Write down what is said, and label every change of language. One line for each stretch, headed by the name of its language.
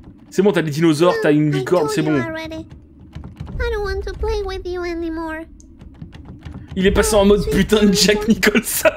French: C'est bon, t'as des dinosaures, t'as une licorne, c'est bon.
English: I don't want to play with you anymore.
French: Il est passé en mode putain de Jack Nicholson.